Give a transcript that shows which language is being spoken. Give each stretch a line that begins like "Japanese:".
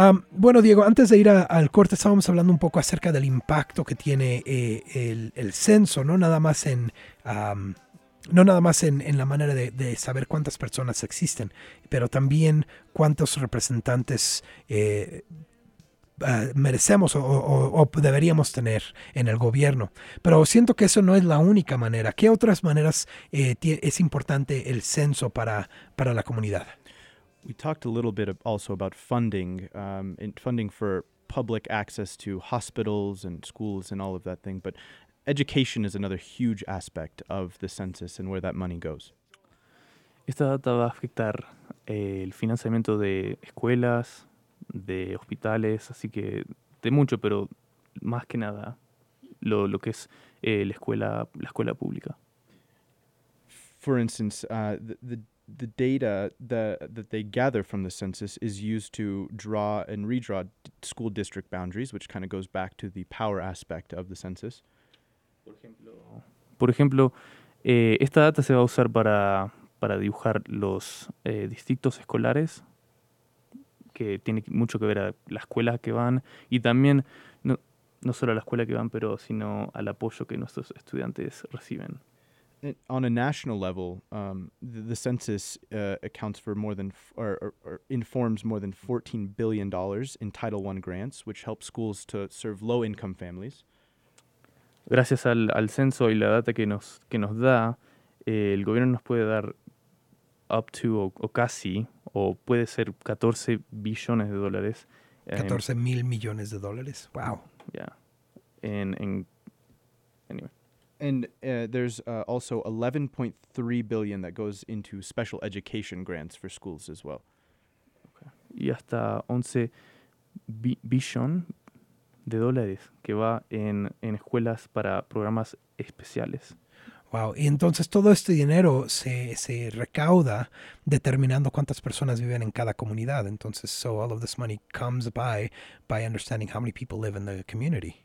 Spanish: Bueno, Diego, antes de ir al corte estábamos hablando un poco acerca del impacto que tiene el censo, no nada más en la manera de saber cuántas personas existen, pero también cuántos representantes merecemos o deberíamos tener en el gobierno. Pero siento que eso no es la única manera. ¿Qué otras maneras es importante el censo para la comunidad?
English: We talked a little bit also about funding, and funding for public access to hospitals and schools and all of that thing, but education is another huge aspect of the census and where that money goes.
Spanish: Esta data va a afectar el financiamiento de escuelas, de hospitales, así que de mucho, pero más que nada lo que es la escuela pública.
English: For instance, the data that they gather from the census is used to draw and redraw school district boundaries, which kind of goes back to the power aspect of the census.
Spanish: Por ejemplo, esta data se va a usar para dibujar los distritos escolares, que tiene mucho que ver a la escuela que van y también no solo a la escuela que van, pero sino al apoyo que nuestros estudiantes reciben.
English: On a national level, the census accounts for more than or informs more than $14 billion in Title I grants, which help schools to serve low-income families.
Spanish: Gracias al censo y la data que nos da, el gobierno nos puede dar
English: up to
Spanish: o casi o puede ser 14 billones de dólares. 14 mil millones de dólares. Wow.
English: Yeah. Anyway. And there's also 11.3 billion that goes into special education grants for schools as well.
Spanish: Okay. Y hasta 11 billion de dólares que va en escuelas para programas especiales. Wow. Y entonces todo este dinero se recauda determinando cuántas personas viven en cada comunidad.
English: Entonces, so all of this money comes by understanding how many people live in the community.